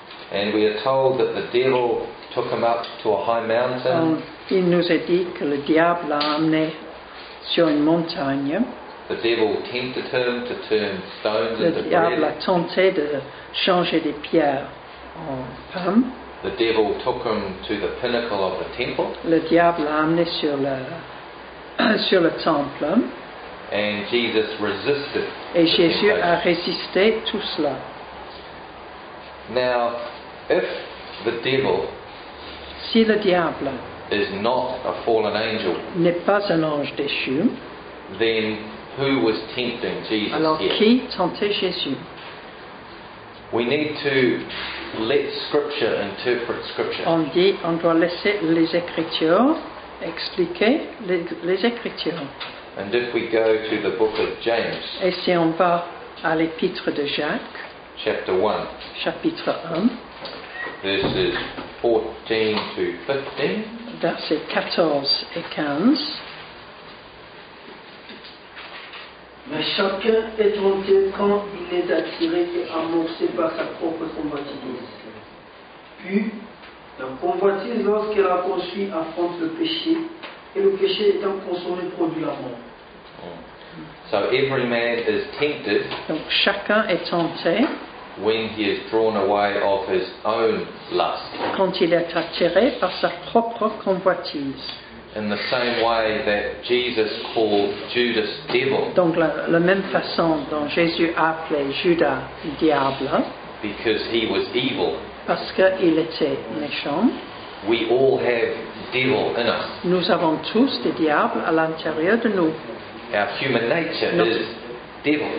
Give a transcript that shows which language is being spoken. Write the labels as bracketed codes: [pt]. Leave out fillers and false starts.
[en] And we are told that the devil took him up to a high mountain. [fr] Il nous est dit que le diable l'a amené sur une montagne. [en] The devil tempted him to turn stones [fr] le [en] into bread. [fr] Le diable a tenté de changer des pierres en pain. [en] The devil took him to the pinnacle of the temple. [fr] Le diable l'a amené sur le sur le temple. [en] And Jesus resisted. [fr] Et Jésus a résisté tout cela. [en] Now, if the devil [fr] si le diable [en] is not a fallen angel, [fr] n'est pas un ange déchu, [en] then who was tempting Jesus? [fr] Alors, [en] here? [fr] Qui tentait Jésus? [en] We need to let Scripture interpret Scripture. [fr] On dit on doit laisser les Écritures expliquer les Écritures. [en] And if we go to the book of James, [fr] et si on va à l'Épître de Jacques, [en] chapter 1, [fr] chapitre 1, [en] verses 14 to 15, [fr] versets 14 et 15. Mais chacun est tenté quand il est attiré et amorcé par sa propre convoitise. Puis, la convoitise, lorsqu'elle a conçu, affronte le péché, et le péché étant consommé, produit la mort. [en] So every man is tempted. [fr] Donc chacun est tenté. [en] When he is drawn away of his own lust. [fr] Quand il est attiré par sa propre convoitise. [en] In the same way that Jesus called Judas devil. [fr] Donc la même façon dont Jésus a appelé Judas diable. [en] Because he was evil. [fr] Parce qu'il était méchant. [en] We all have devil in us. [fr] Nous avons tous des diables à l'intérieur de nous. [en] Our human nature is devil.